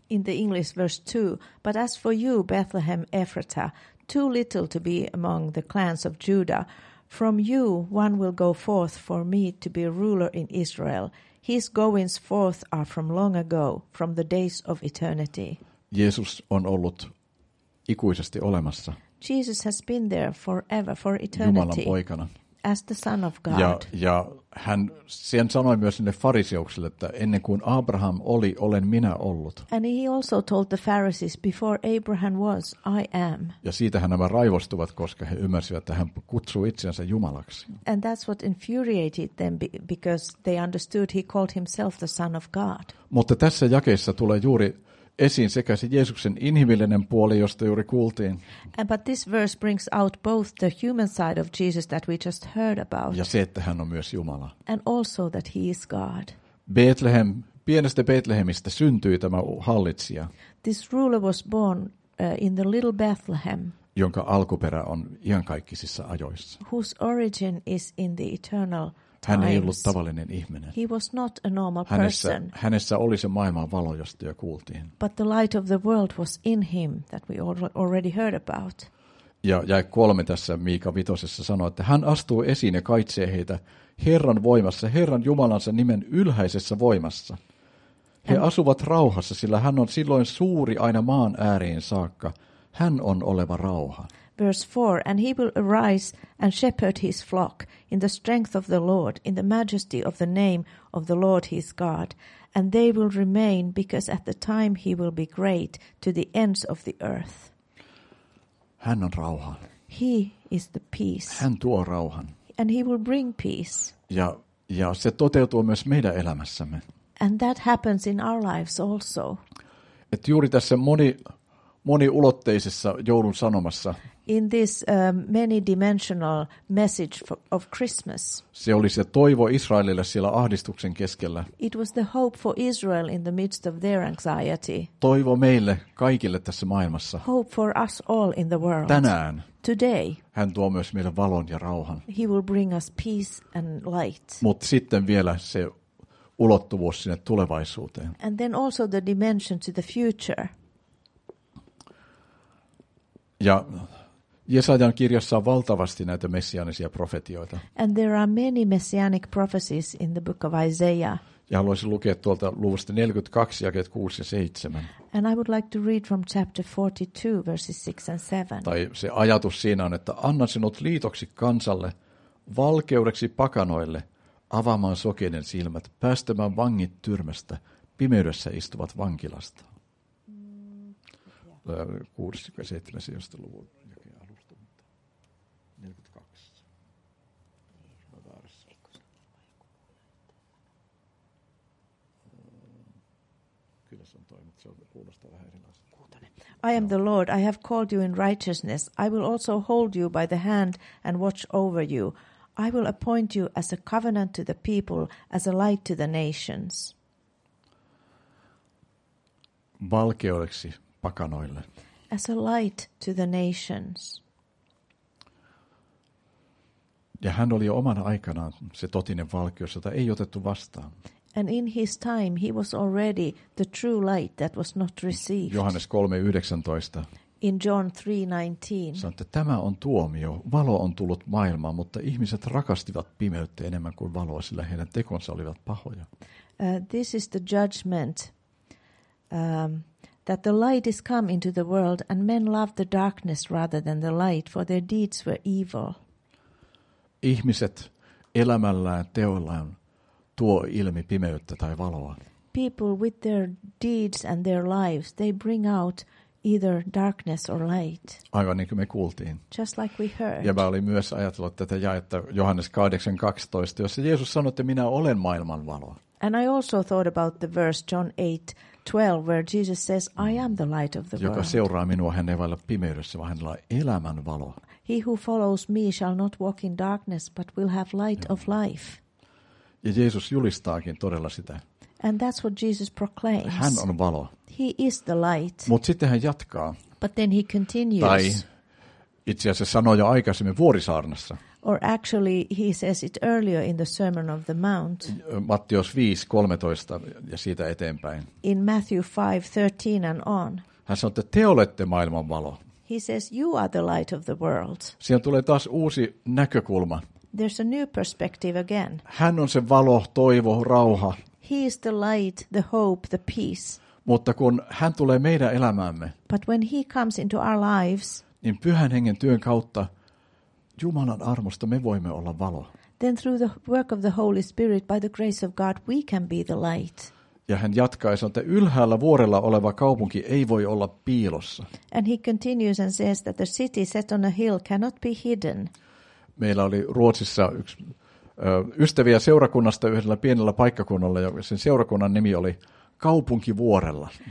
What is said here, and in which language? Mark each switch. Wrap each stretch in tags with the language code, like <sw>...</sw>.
<en>In the English verse 2, but as for you, Bethlehem Ephratah, too little to be among the clans of Judah, from you one will go forth for me to be a ruler in Israel. His goings forth are from long ago, from the days of eternity.</en> <fi>Jeesus on ollut ikuisesti olemassa.</fi> <en>Jesus has been there forever, for eternity.</en> <fi>Jumalan poikana.</fi> <en>As the son of God.</en> <fi>Ja hän sen sanoi myös sinne fariseuksille, että ennen kuin Abraham oli, olen minä ollut.</fi> <en>And he also told the Pharisees, before Abraham was, I am.</en> <fi>Ja siitä hän nämä raivostuvat, koska he ymmärsivät, että hän kutsuu itseänsä Jumalaksi.</fi> <en>And that's what infuriated them, because they understood he called himself the son of God.</en> <fi>Mutta tässä jakeessa tulee juuri esiin sekä se Jeesuksen inhimillinen puoli, josta juuri kuultiin.</fi> <en>But this verse brings out both the human side of Jesus that we just heard about.</en> <fi>Ja se, että hän on myös Jumala.</fi> <en>And also that he is God.</en> <fi>Bethlehem, pienestä Bethlehemistä syntyi tämä hallitsija.</fi> <en>This ruler was born in the little Bethlehem.</en> <fi>jonka alkuperä on iankaikkisissa ajoissa.</fi> <en>Whose origin is in the eternal times.</en> <fi>Hän ei ollut tavallinen ihminen.</fi> <en>He was not a normal person.</en> <fi>Hänessä oli se maailman valo, josta jo kuultiin.</fi> <en>But the light of the world was in him that we already heard about.</en> <fi>Ja kolme tässä Miika vitosessa sanoo, että hän astuu esiin ja kaitsee heitä Herran voimassa, Herran Jumalansa nimen ylhäisessä voimassa. He asuvat rauhassa, sillä hän on silloin suuri aina maan ääriin saakka. Hän on oleva rauha.</fi> <en>Verse 4, and he will arise and shepherd his flock in the strength of the Lord, in the majesty of the name of the Lord his God. And they will remain because at the time he will be great to the ends of the earth.</en> <fi>Hän on rauha.</fi> <en>He is the peace.</en> <fi>Hän tuo rauhan.</fi> <en>And he will bring peace.</en> <fi>Ja se toteutuu myös meidän elämässämme.</fi> <en>And that happens in our lives also.</en> <fi>Et juuri tässä moniulotteisessa joulun sanomassa.</fi> <en>In this many dimensional message of Christmas.</en> <fi>Se oli se toivo Israelille siellä ahdistuksen keskellä.</fi> <en>It was the hope for Israel in the midst of their anxiety.</en> <fi>Toivo meille kaikille tässä maailmassa.</fi> <en>Hope for us all in the world.</en> <fi>Tänään.</fi> <en>Today.</en> <fi>Hän tuo myös meille valon ja rauhan.</fi> <en>He will bring us peace and light.</en> <fi>Mut sitten vielä se ulottuvuus sinne tulevaisuuteen.</fi> <en>And then also the dimension to the future.</en> <fi>Ja Jesajan kirjassa on valtavasti näitä messianisia profetioita.</fi> <en>And there are many messianic prophecies in the book of Isaiah.</en> <fi>Ja haluaisin lukea tuolta luvusta 42, jakeet 6 ja 7.</fi> <en>And I would like to read from chapter 42, verses 6 and 7.</en> <fi>Tai se ajatus siinä on, että annan sinut liitoksi kansalle, valkeudeksi pakanoille, avaamaan sokeiden silmät, päästämään vangit tyrmästä, pimeydessä istuvat vankilasta. 6-7 sijasta luvun jälkeen alusta, mutta 42. Kyllä se on toi, mutta se kuulostaa vähän erilaisesti.</fi> <en>I am the Lord, I have called you in righteousness. I will also hold you by the hand and watch over you. I will appoint you as a covenant to the people, as a light to the nations.</en> <fi>Valkeudeksi pakanoille.</fi> <en>As a light to the nations.</en> <fi>Ja hän oli jo oman aikanaan se totinen valkeus, jota ei otettu vastaan.</fi> <en>And in his time he was already the true light that was not received.</en> <fi>Johannes 3:19.</fi> <en>In John 3:19.</en> <fi>Sanoi, että tämä on tuomio. Valo on tullut maailmaan, mutta ihmiset rakastivat pimeyttä enemmän kuin valoa, sillä heidän tekonsa olivat pahoja.</fi> <en>This is the judgment. That the light is come into the world and men love the darkness rather than the light, for their deeds were evil.</en> <fi>Ihmiset elämällään, teollaan tuo ilmi pimeyttä tai valoa.</fi> <en>People with their deeds and their lives, they bring out either darkness or light.</en> <fi>Aivan niin kuin me kuultiin.</fi> <en>Just like we heard.</en> <fi>Ja mä olin myös ajatellut tätä jaetta Johannes 8:12, jossa Jeesus sanoi, että minä olen maailman valo.</fi> <en>And I also thought about the verse John 8:12, where Jesus says, I am the light of the world.</en> <fi>Joka seuraa minua, hän ei voi olla pimeydessä, vaan hänellä on elämän valo.</fi> <en>He who follows me shall not walk in darkness, but will have light of life.</en> <fi>Ja Jeesus julistaakin todella sitä.</fi> <en>And that's what Jesus proclaims.</en> <fi>Hän on valo.</fi> <en>He is the light.</en> <fi>Mut sitten hän jatkaa.</fi> <en>But then he continues.</en> <fi>Tai itse asiassa sanoi jo aikaisemmin vuorisaarnassa.</fi> <en>Or actually he says it earlier in the Sermon of the Mount.</en> <fi>Matteus 5:13 ja siitä eteenpäin.</fi> <en>In Matthew 5:13 and on.</en> <fi>Hän sanoo, että te olette maailman valo.</fi> <en>He says you are the light of the world.</en> <fi>Siihen tulee taas uusi näkökulma.</fi> <en>There's a new perspective again.</en> <fi>Hän on se valo, toivo, rauha.</fi> <en>He is the light, the hope, the peace.</en> <fi>Mutta kun hän tulee meidän elämäämme.</fi> <en>But when he comes into our lives.</en> <fi>Niin Pyhän Hengen työn kautta Jumalan armosta me voimme olla valo.</fi> <en>Then through the work of the Holy Spirit, by the grace of God, we can be the light.</en> <fi>Ja hän jatkaa ja sanoo, että ylhäällä vuorella oleva kaupunki ei voi olla piilossa.</fi> <en>And he continues and says that the city set on a hill cannot be hidden.</en> <fi>Meillä oli Ruotsissa yksi ystäviä seurakunnasta yhdellä pienellä paikkakunnalla, ja sen seurakunnan nimi oli Kaupunkivuorella.</fi>